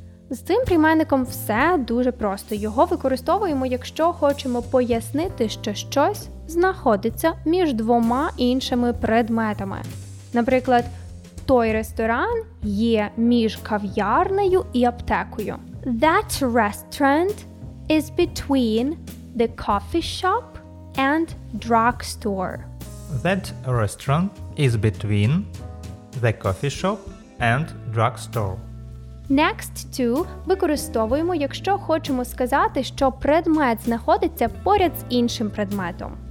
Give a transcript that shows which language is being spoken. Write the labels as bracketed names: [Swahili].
[Ukrainian] З цим прийменником все дуже просто. Його використовуємо, якщо хочемо пояснити, що щось знаходиться між двома іншими предметами. Наприклад, той ресторан є між кав'ярнею і аптекою. [English] That restaurant is between the coffee shop and drugstore. That restaurant is between the coffee shop and drugstore. [Ukrainian] Next to використовуємо, якщо хочемо сказати, що предмет знаходиться поряд з іншим предметом.